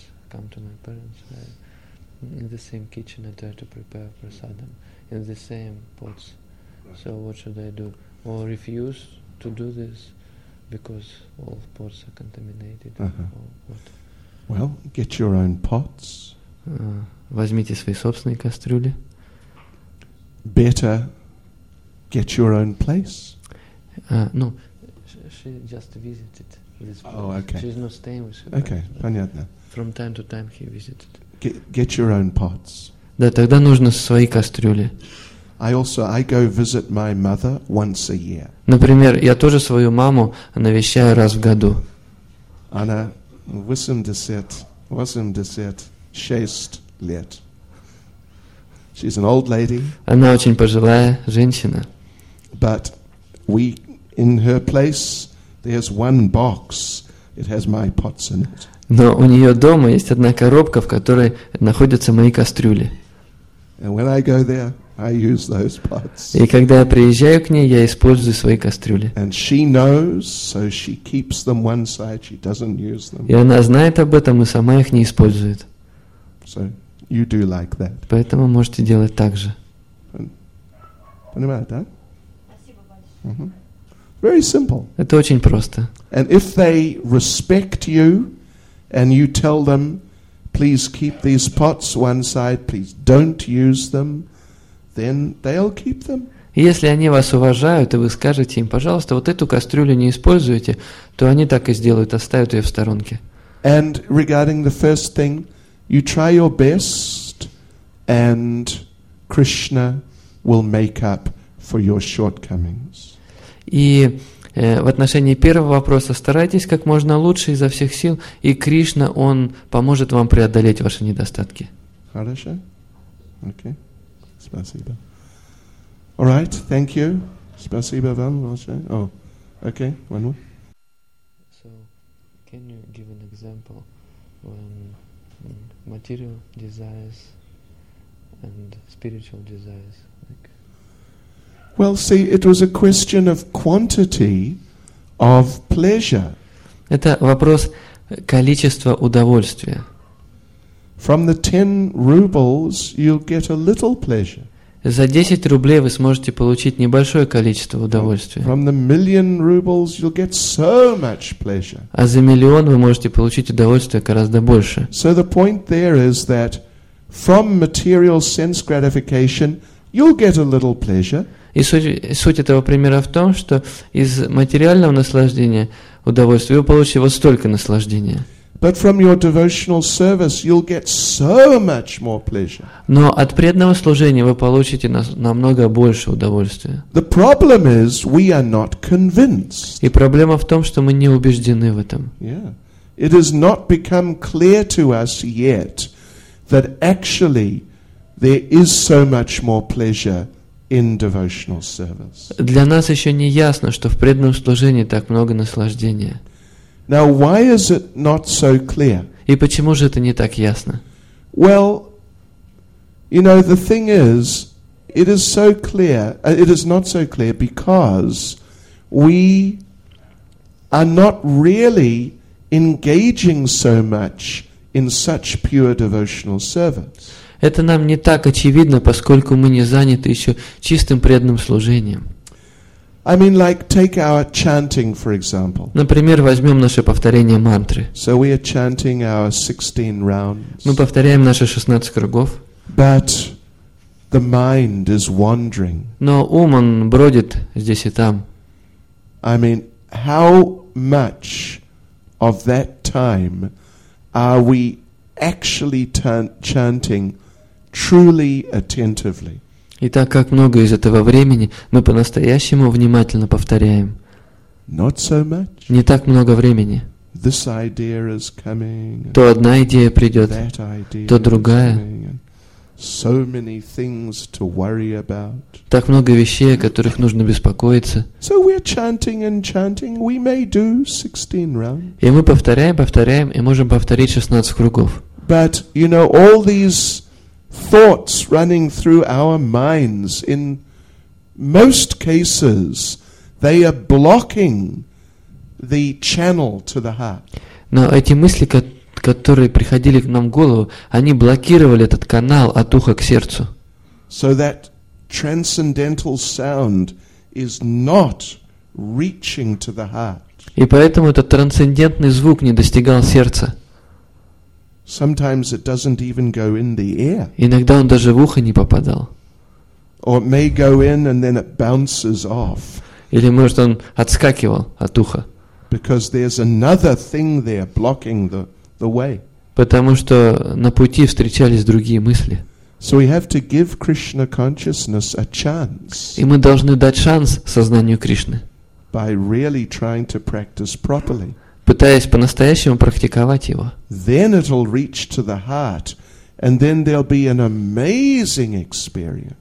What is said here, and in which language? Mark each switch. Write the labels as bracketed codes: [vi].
[en] Came to my parents in the same kitchen and try to prepare prasadam in the same pots. So what should I do? Or refuse to do this? Because all pots are contaminated. Uh-huh. Well, get your own pots. [ru] Возьмите свои собственные кастрюли. [en] Better get your own place. No, she just visited this place. Oh, okay. She's not staying with her. [ru] Okay, понятно. [en] From time to time he visited. Get your own pots. [ru] Да, тогда нужно свои кастрюли. [en] I go visit my mother once a year. [ru] Например, я тоже свою маму навещаю раз в году. Она 86 лет. [en] She's an old lady. [ru] Она очень пожилая женщина. [en] But we in her place there's one box. It has my pots in it. [ru] Но у нее дома есть одна коробка, в которой находятся мои кастрюли. [en] And when I go there, I use those pots. [ru] И когда я приезжаю к ней, я использую свои кастрюли. [en] And she knows, so she keeps them one side, she doesn't use them. [ru] И она знает об этом и сама их не использует. [en] So you do like that. [ru] Поэтому можете делать так же. Понимаете, да? Спасибо большое. [en] Very simple. [ru] Это очень просто. [en] And if they respect you and you tell them please keep these pots one side, please don't use them, then they'll keep them. [ru] Если они вас уважают, и вы скажете им, пожалуйста, вот эту кастрюлю не используйте, то они так и сделают, оставят ее в сторонке. [en] And regarding the first thing, you try your best, and Krishna will make up for your shortcomings. [ru] И в отношении первого вопроса старайтесь как можно лучше изо всех сил, и Кришна, он поможет вам преодолеть ваши недостатки. Хорошо? Окей. Спасибо. [en] All right, thank you. [ru] Спасибо вам, Ваше. [en] Oh, okay, one more. So, can you give an example when material desires and spiritual desires? Well, see, it was a question of quantity of pleasure. [ru] Это вопрос количества удовольствия. [en] From the 10 rubles, you'll get a little pleasure. [ru] За 10 рублей вы сможете получить небольшое количество удовольствия. [en] From the million rubles, you'll get so much pleasure. [ru] А за миллион вы можете получить удовольствие гораздо больше. [en] So the point there is that from material sense gratification, you'll get a little pleasure. [ru] И суть этого примера в том, что из материального наслаждения удовольствия вы получите вот столько наслаждения. [en] But from your devotional service, you'll get so much more pleasure. [ru] Но от преданного служения вы получите намного больше удовольствия. [en] The problem is we are not convinced. [ru] И проблема в том, что мы не убеждены в этом. [en] Yeah. It has not become clear to us yet that actually there is so much more pleasure in devotional service. [ru] Для нас еще не ясно, что в преданном служении так много наслаждения. [en] Now, why is it not so clear? [ru] И почему же это не так ясно? [en] Well, you know, the thing is, it is so clear, it is not so clear because we are not really engaging so much in such pure devotional service. [ru] Это нам не так очевидно, поскольку мы не заняты еще чистым преданным служением. [en] I mean, like, take our chanting, for example. [ru] Например, возьмем наше повторение мантры. [en] So we are chanting our 16 rounds. [ru] Мы повторяем наши 16 кругов. [en] But the mind is wandering. [ru] Но ум, он бродит здесь и там. [en] I mean, how much of that time are we actually chanting truly attentively? [ru] И так как много из этого времени мы по-настоящему внимательно повторяем. [en] Not so much. [ru] Не так много времени. [en] This idea is coming, [ru] то одна идея придет, то другая. [en] So many things to worry about. [ru] Так много вещей, о которых нужно беспокоиться. [en] So we're chanting and chanting. We may do 16 rounds. [ru] И мы повторяем, повторяем, и можем повторить 16 кругов. [en] But, you know, all these thoughts running through our minds, in most cases, they are blocking the channel to the heart. [ru] Но эти мысли, которые приходили к нам в голову, они блокировали этот канал от уха к сердцу. [en] So that transcendental sound is not reaching to the heart. [ru] И поэтому этот трансцендентный звук не достигал сердца. [en] Sometimes it doesn't even go in the air. [ru] Иногда он даже в ухо не попадал. [en] Or it may go in and then it bounces off. [ru] Или может он отскакивал от уха. [en] Because there's another thing there blocking the way. [ru] Потому что на пути встречались другие мысли. [en] So we have to give Krishna consciousness a chance. [ru] И мы должны дать шанс сознанию Кришны. [en] By really trying to practice properly. [ru] Пытаясь по-настоящему практиковать его. [en] Then it'll reach to the heart, and then there'll be an amazing experience.